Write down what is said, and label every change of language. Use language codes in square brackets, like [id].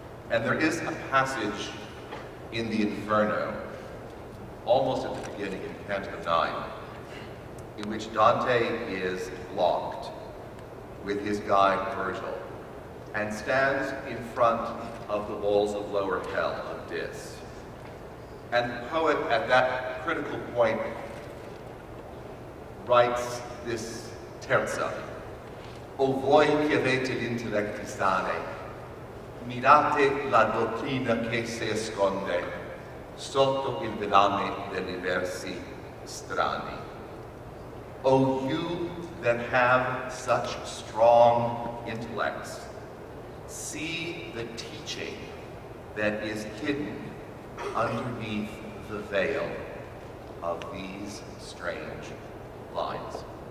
[en] And there is a passage in the Inferno, almost at the beginning, in Canto 9, in which Dante is locked with his guide Virgil and stands in front of the walls of lower hell of Dis. And the poet at that critical point writes this terza: [it] O voi che avete l'intellecti sane, mirate la dottrina che si esconde sotto il velame degli versi strani. [en] O you that have such strong intellects, see the teaching that is hidden underneath the veil of these strange lines.